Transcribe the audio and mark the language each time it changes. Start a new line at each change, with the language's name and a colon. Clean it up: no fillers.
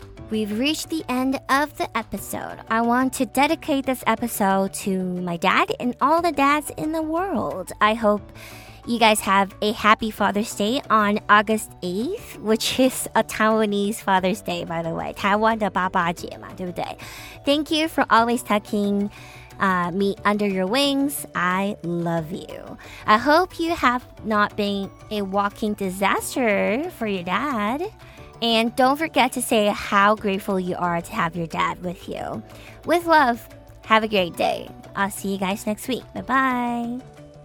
English: We've reached the end of the episode. I want to dedicate this episode to my dad and all the dads in the world. I hope you guys have a happy Father's Day on August 8th, which is a Taiwanese Father's Day, by the way.
Chinese: 台湾的爸爸节嘛，对不对？
English: Thank you for always tucking me under your wings. I love you. I hope you have not been a walking disaster for your dad. And don't forget to say how grateful you are to have your dad with you. With love, have a great day. I'll see you guys next week. Bye-bye.